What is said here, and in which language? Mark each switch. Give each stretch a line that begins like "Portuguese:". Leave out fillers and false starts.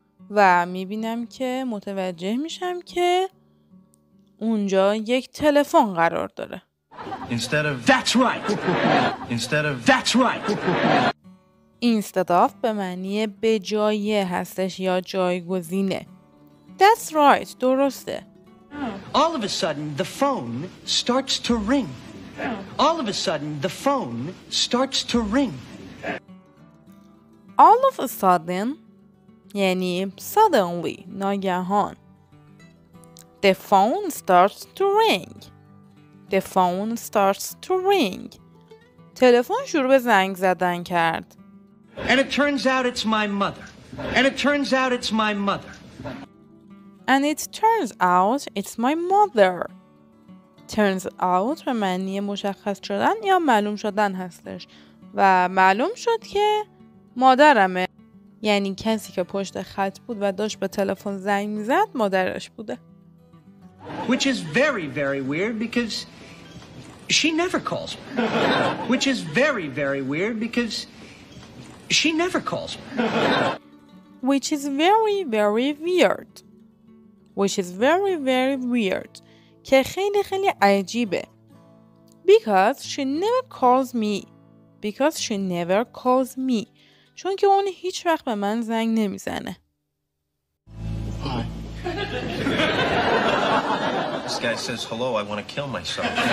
Persian: و میبینم که متوجه میشم که اونجا یک تلفن قرار داره.
English: Instead of That's right. Instead of That's right. Instead of
Persian: به معنی به جای هستش یا جایگزینه.
English: That's right.
Persian: درسته.
English: All of a sudden the phone starts to ring. All of a sudden the phone starts to ring. All of a sudden یعنی suddenly ناگهان. The phone starts to ring. The phone starts to ring.
Persian: تلفن شروع به زنگ زدن کرد.
English: And it turns out it's my mother. And it turns out it's my mother. And it turns out it's my mother. Turns out
Persian: به معنی مشخص شدن یا معلوم شدن هستش. و معلوم شد که مادرمه. یعنی کسی که پشت خط بود و داشت به تلفن زنگ میزد مادرش بوده.
English: Which is very very weird because she never calls me. Which is very very weird because she never calls me. Which is very very weird. Which is very very weird.
Persian: که خیلی خیلی عجیبه.
English: Because she never calls me. Because she never calls me.
Persian: چون که اون هیچ وقت به من زنگ نمیزنه.
English: This guy says hello, I want to kill myself.